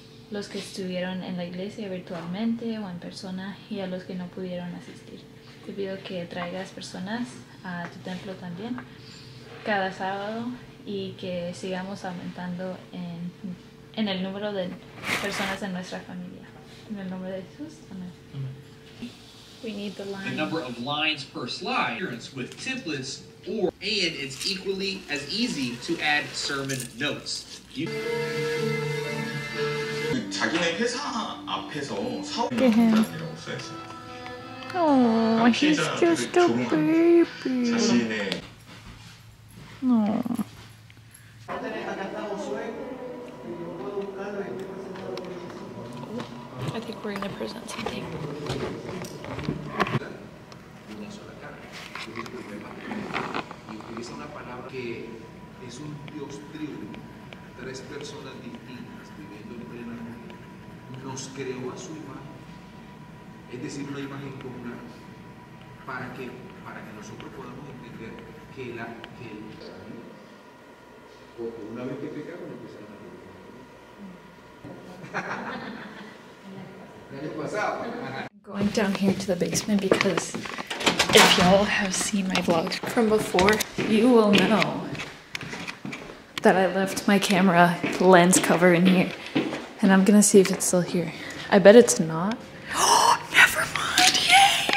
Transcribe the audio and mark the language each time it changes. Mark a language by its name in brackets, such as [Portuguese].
[Spanish] los que estuvieron en la iglesia virtualmente o en persona y a los que no pudieron asistir. Te pido que traigas personas a tu templo también cada sábado y que sigamos aumentando en el número de personas en nuestra familia. En el nombre de Jesús, amén. [English] We need the line. The number of lines per slide appearance with templates or and it's equally as easy to add sermon notes. You get him. Aww, he's just a baby. Aww. I think we're gonna present something. [Spanish] Creó a su imagen, es decir, una imagen comunal, para que nosotros podamos entender que la que el, porque una vez que pecaron empezaron a pecar. ¿Qué les pasaba? [English] Going down here to the basement because if y'all have seen my vlogs from before, you will know that I left my camera lens cover in here. And I'm gonna see if it's still here. I bet it's not. Oh, never mind. Yay!